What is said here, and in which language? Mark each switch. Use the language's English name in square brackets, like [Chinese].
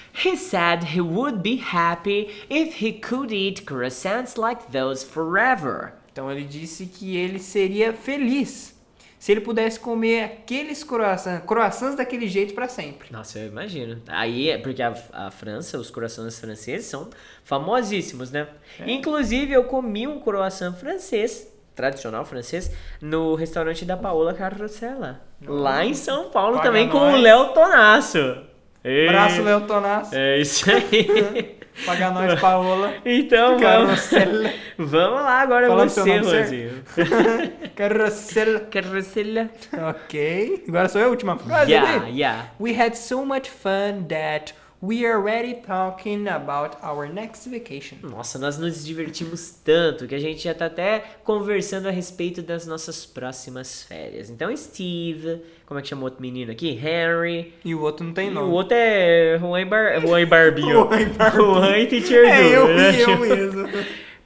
[English] He said he would be happy if he could eat croissants like those forever. [Portuguese] Então ele disse que ele seria feliz se ele pudesse comer aqueles croissants daquele jeito para sempre. Nossa, eu imagino. Aí é porque a França, os croissants franceses são famosíssimos, né? É. Inclusive eu comi um croissant francês, tradicional francês, no restaurante da Paola Carrossela. Não. Lá em São Paulo. Paga também nós. Com o Léo Tonasso. Braço Léo Tonasso. É isso aí. Paga nós, Paola. Então, Carrossela. Vamos lá agora. Fala você, Luizinho. Carrossela. Carrossela. Ok. Agora sou eu, a última frase. [English] Yeah. We had so much fun that We are already talking about our next vacation. [Portuguese] Nossa, nós nos divertimos tanto que a gente já tá até conversando a respeito das nossas próximas férias. Então, Steve, como é que chama o outro menino aqui? Henry. E o outro não tem nome. E o outro é Juan Barbinho. Juan Teacher Du. É, eu e eu mesmo.